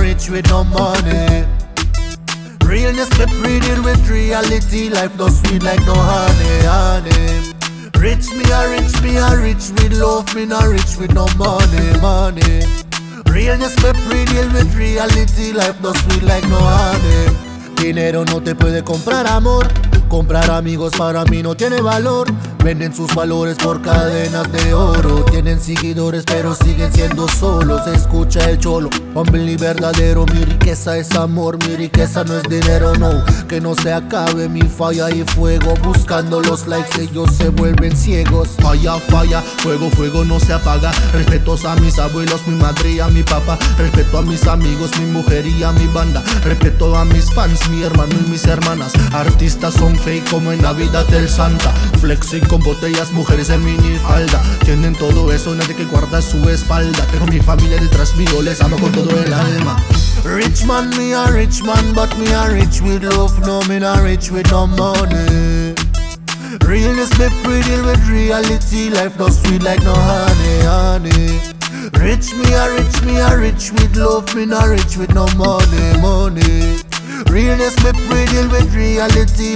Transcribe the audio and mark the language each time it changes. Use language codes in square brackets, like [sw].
[en] With no money, realness be breeding with reality. Life no sweet like no honey, honey. Rich me a rich, me a rich with love. Me not rich with no money, money. Realness be breeding with reality. Life no sweet like no honey. [es] Dinero no te puede comprar amor. Comprar amigos para mí no tiene valor. Venden sus valores por cadenas de oro. Tienen seguidores pero siguen siendo solos. Escucha el cholo, humble y verdadero. Mi riqueza es amor, mi riqueza no es dinero, no. Que no se acabe mi falla y fuego. Buscando los likes ellos se vuelven ciegos. Falla, falla, fuego, fuego no se apaga. Respetos a mis abuelos, mi madre y a mi papá. Respeto a mis amigos, mi mujer y a mi banda. Respeto a mis fans, mi hermano y mis hermanas. Artistas son fake como en Navidad del Santa. Flex y con botellas, mujeres en minifalda. Tienen todo eso, nadie que guarda su espalda. Tengo mi familia detrás mío, les amo con todo el alma. [en] Rich man, me a rich man, but me a rich with love. No, me not rich with no money. Realness be pretty with reality. Life no sweet like no honey, honey. Rich, me a rich, me a rich with love. Me not rich with no money, money. Realness me pretty with reality.